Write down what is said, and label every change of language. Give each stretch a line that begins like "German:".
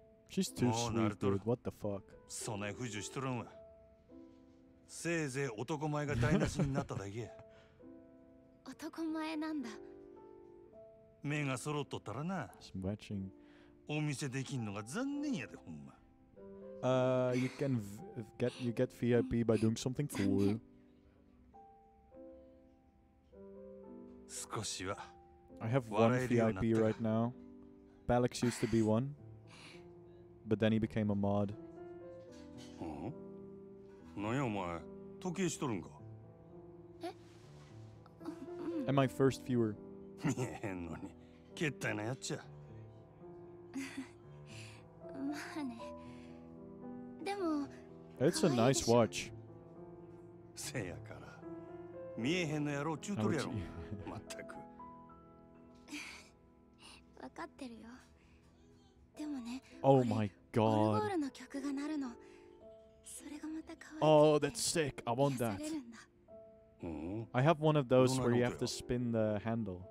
English: She's too sweet, dude. What the fuck?
Japanese: そない不自由しとるんわ。せいぜい男前が台無しになっただけ。男前なんだ。目が揃っとったらな。
English: She's matching.
Japanese: お見せできんのが残念やで、ほんま。
English: You can get VIP by doing something cool.
Japanese: 少しは。
English: I have one VIP right now. Balex used to be one, but then he became a mod.
Japanese: なやお前、時計しとるんか。
English: え？Am I first viewer?
Japanese: 見えへんのに、決対なやっちゃ。まあね。でも、
English: It's a nice watch.
Japanese: せやから、見えへんのやろ、チュートリアル。まったく。わかってるよ。でもね、
English: Oh my God.
Japanese: オルゴールの曲が鳴るの。それがまた可愛い。
English: Oh, that's sick. I want that. I have one of those where you have to spin the handle.